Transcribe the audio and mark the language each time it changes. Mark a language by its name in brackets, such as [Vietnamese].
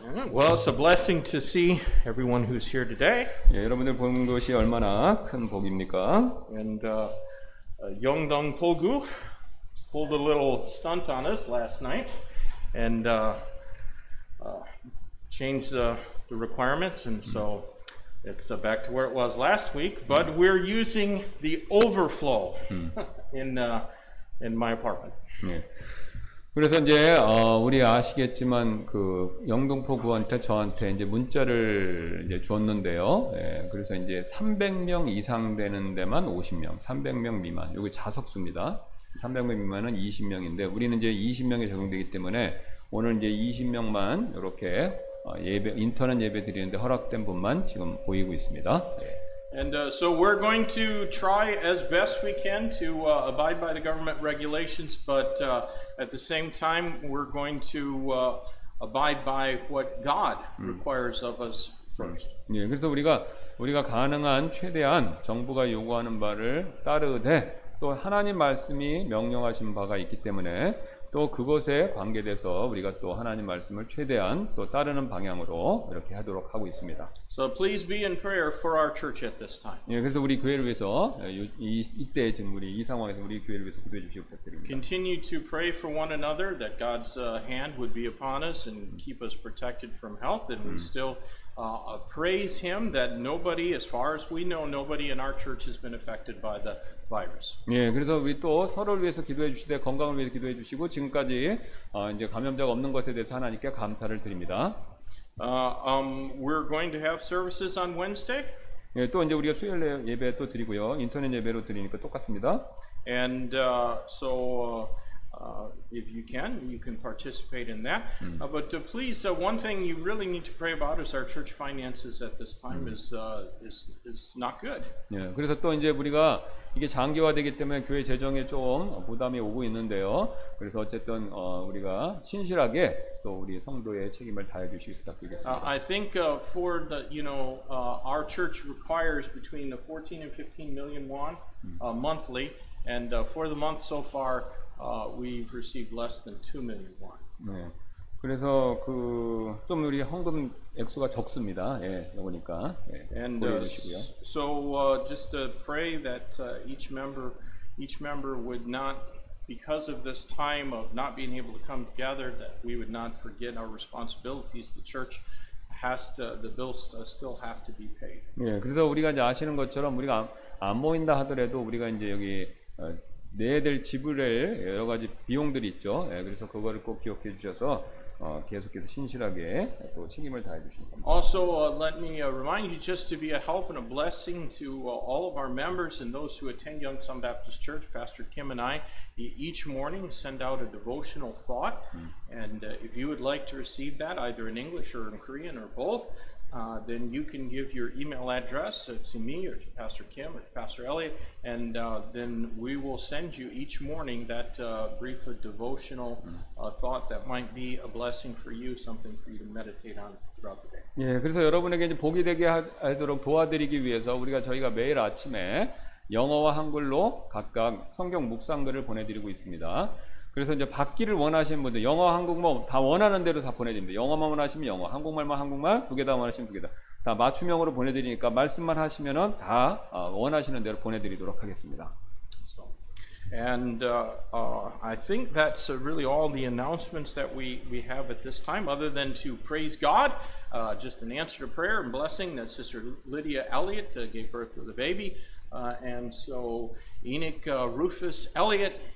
[English] Well, it's a blessing to see everyone who's here today. [Korean] 예, 여러분들 보는 것이 얼마나 큰 복입니까? [English] And Yongdong Pogu pulled a little stunt on us last night and changed the requirements, and so it's back to where it was last week. But we're using the overflow in my apartment. [Korean] 예. 그래서 이제 우리 아시겠지만 그 영동포구한테 저한테 이제 문자를 이제 줬는데요. 예, 그래서 이제 300명 이상 되는 데만 50명, 300명 미만. 여기 자석수입니다. 300명 미만은 20명인데 우리는 이제 20명에 적용되기 때문에 오늘 이제 20명만 이렇게 예배 인터넷 예배 드리는데 허락된 분만 지금 보이고 있습니다. 예. [English] And so we're going to try as best we can to abide by the government regulations, but at the same time, we're going to abide by what God requires of us first. [Korean] 예, 그래서 우리가 가능한 최대한 정부가 요구하는 바를 따르되 또 하나님 말씀이 명령하신 바가 있기 때문에 또 그것에 관계돼서 우리가 또 하나님 말씀을 최대한 또 따르는 방향으로 이렇게 하도록 하고 있습니다. [English] So please be in prayer for our church at this time. [Korean] 예, 그래서 우리 교회를 위해서 이때 지금 우리 이 상황에서 우리 교회를 위해서 기도해 주시기 부탁드립니다. [English] Continue to pray for one another that God's hand would be upon us and keep us protected from health, and we still praise Him that nobody, as far as we know, nobody in our church has been affected by the virus. [Korean] 예, 그래서 우리 또 서로를 위해서 기도해 주시되 건강을 위해 기도해 주시고 지금까지 이제 감염자가 없는 것에 대해서 하나님께 감사를 드립니다. [English] We're going to have services on Wednesday. [Korean] 예, 또 이제 우리가 수요일 예배 또 드리고요. 인터넷 예배로 드리니까 똑같습니다. [English] And so if you can participate in that. But please, one thing you really need to pray about is our church finances at this time is not good. [Korean] 예, 그래서 또 이제 우리가 이게 장기화되기 때문에 교회 재정에 좀 부담이 오고 있는데요. 그래서 어쨌든 우리가 신실하게 또 우리 성도의 책임을 다해 주시기 부탁드리겠습니다. [English] I think for the, you know, our church requires between the 14 and 15 million won monthly, and for the month so far, we've received less than 2 million won. [Korean] 네. 그래서 그 좀 우리 헌금 액수가 적습니다. 예, 그러니까. 예, [English] and so just to pray that each member would not, because of this time of not being able to come together, that we would not forget our responsibilities. The church has to, the bills still have to be paid. [Korean] 예, 그래서 우리가 이제 아시는 것처럼 우리가 안 모인다 하더라도 우리가 이제 여기 내야 될 지불할 여러 가지 비용들이 있죠. 예, 그래서 그거를 꼭 기억해 주셔서 계속해서 신실하게 또 책임을 다해 주시는 겁니다. [English] Also, let me remind you just to be a help and a blessing to all of our members and those who attend Young Sun Baptist Church. Pastor Kim and I each morning send out a devotional thought, and if you would like to receive that either in English or in Korean or both, then you can give your email address to me or to Pastor Kim or to Pastor Elliot, and then we will send you each morning that brief devotional thought that might be a blessing for you, something for you to meditate on throughout the day. [Korean] 예, 그래서 여러분에게 이제 복이 되게 하도록 도와드리기 위해서 우리가 저희가 매일 아침에 영어와 한글로 각각 성경 묵상글을 보내드리고 있습니다. 그래서 이제 받기를 원하시는 분들 영어 한국말 다 원하는 대로 다 보내드립니다. 영어만 원하시면 영어, 한국말만 한국말 두 개 다 원하시면 두 개 다 다 맞춤형으로 보내드리니까 말씀만 하시면은 다 원하시는 대로 보내드리도록 하겠습니다. [English] So, and I think that's really all the announcements that we have at this time, other than to praise God, just an answer to prayer and blessing that Sister Lydia Elliott gave birth to the baby, and so Enoch Rufus Elliott